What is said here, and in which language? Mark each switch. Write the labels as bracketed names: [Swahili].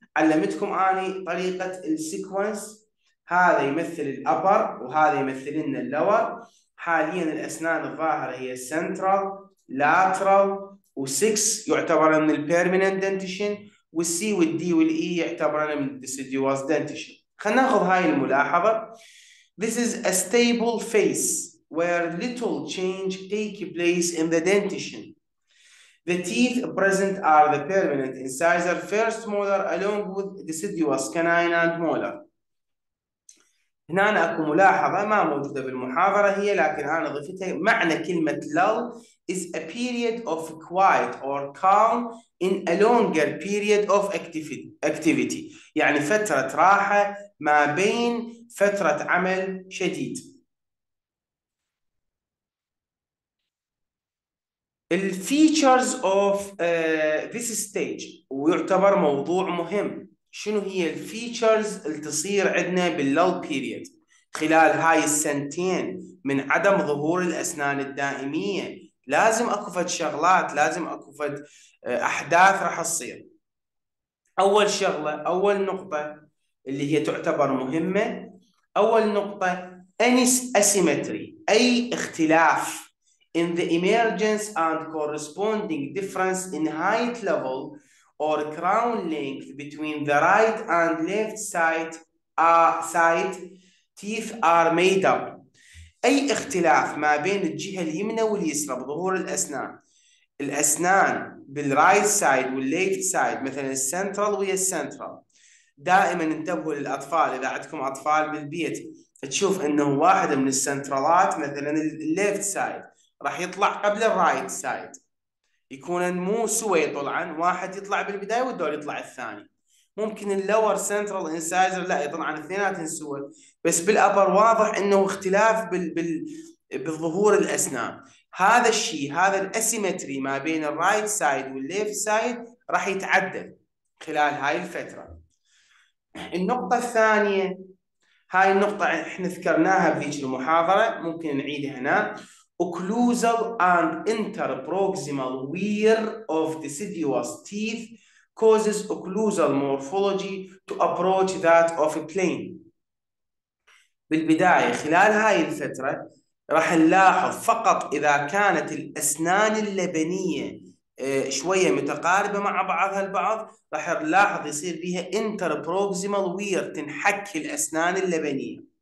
[Arabic] علمتكم اني طريقه السيكونس، هذا يمثل الابر وهذا يمثل لنا اللور. حاليا الاسنان الظاهره هي سنترال لاترال و6 يعتبر من البيرمننت دنتيشن، والسي والدي والاي يعتبر من الديسيديوس دنتيشن. خلينا ناخذ هاي الملاحظه. [English] This is a stable face where little change take place in the dentition. The teeth present are the permanent incisor first molar along with deciduous canine and molar. [Arabic] هنا أنا اكو ملاحظة ما موجودة بالمحاضرة هي، لكن انا ضفتها. معنى كلمة [English] lull is a period of quiet or calm in a longer period of activity. [Arabic] يعني فترة راحة ما بين فترة عمل شديد. [English] الـ features of this stage [Arabic] ويعتبر موضوع مهم. شنو هي الفيتشرز اللي تصير عندنا باللول بيريد خلال هاي السنتين من عدم ظهور الاسنان الدائميه لازم اكو فد شغلات، لازم اكو فد احداث راح تصير. اول شغله، اول نقطه اللي هي تعتبر مهمه، اول نقطه انيس اسيمتري، اي اختلاف [English] in the emergence and corresponding difference in height level or crown length between the right and left side, side teeth are made up. [Arabic] أي اختلاف ما بين الجهة اليمنى واليسرى بظهور الأسنان، الأسنان بالرايت سايد والليفت سايد، مثلا السنترال ويا السنترال. دائما انتبهوا للأطفال، إذا عندكم أطفال بالبيت تشوف أنه واحد من السنترالات مثلا الليفت سايد راح يطلع قبل الرايت سايد، يكون مو سوي طلعا، واحد يطلع بالبداية والدور يطلع الثاني. ممكن اللور سنترال انسايزر لا يطلع عن اثنيناتهم سوى، بس بالابر واضح انه اختلاف بالظهور الاسنان. هذا الشيء، هذا الاسيمتري ما بين الرايت سايد والليفت سايد راح يتعدل خلال هاي الفتره. النقطه الثانيه، هاي النقطه احنا ذكرناها في ذيك المحاضره، ممكن نعيدها هنا. [English] Occlusal and interproximal wear of deciduous teeth causes occlusal morphology to approach that of a plane. [Arabic] بالبداية خلال هاي الفترة راح نلاحظ فقط إذا كانت الأسنان اللبنية شوية متقاربة مع بعضها البعض، راح نلاحظ يصير فيها interproximal wear، تنحك الأسنان اللبنية.